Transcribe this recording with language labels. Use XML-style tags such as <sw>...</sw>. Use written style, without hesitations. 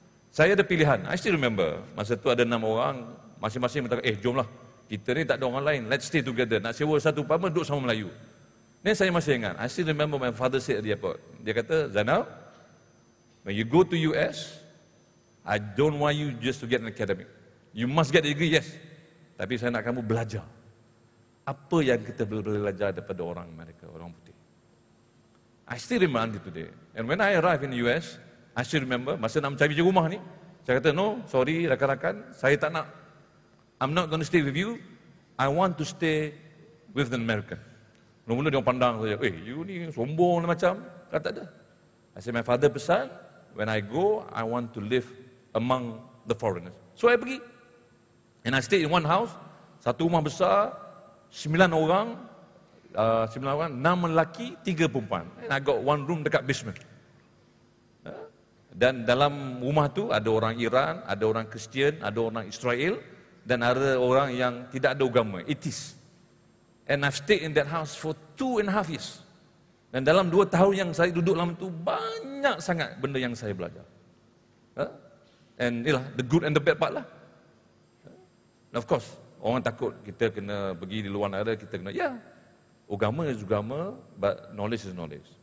<ms>Saya ada pilihan,</ms> <en>I still remember.</en> <ms>Masa tu ada 6 orang, masing-masing minta, jomlah. Kita ni tak ada orang lain,</ms> <en>let's stay together.</en> <ms>Nak sewa satu apartment, duduk sama Melayu.</ms> <en>Then</en> <ms>saya masih ingat,</ms> <en>I still remember my father said at the airport.</en> <ms>Dia kata,</ms> <en>Zainal, when you go to US, I don't want you just to get an academic. You must get a degree, yes.</en> <ms>Tapi saya nak kamu belajar. Apa yang kita boleh belajar daripada orang Amerika, orang putih.</ms> <en>I still remember until today. And when I arrive in the US, I still remember,</en> <ms>masa nak mencari rumah ni, saya kata,</ms> <en>no, sorry,</en> <ms>rakan-rakan, saya tak nak.</ms> <en>I'm not going to stay with you. I want to stay with an American.</en> <ms>Mula-mula dia pandang saya, you ni sombong macam. Kata tak ada.</ms> <en>I said, my father pesan, when I go, I want to live among the foreigners.</en> <ms>So I pergi.</ms> <en>And I stay in one house,</en> <ms>satu rumah besar, 9 orang, 6 lelaki, 3 perempuan.</ms> <en>And I got one room dekat basement.</en> <ms>Dan dalam rumah tu ada orang Iran, ada orang Kristian, ada orang Israel, dan ada orang yang tidak ada agama, atheist.</ms> <en>And I've stayed in that house for 2.5 years.</en> <ms>Dan dalam 2 tahun yang saya duduk dalam tu, banyak sangat benda yang saya belajar.</ms> <en>And inilah the good and the bad part lah. And of course,</en> <ms>orang takut kita kena</ms> <en>pergi di luar negara, kita kena, agama is agama, but knowledge is knowledge.</en>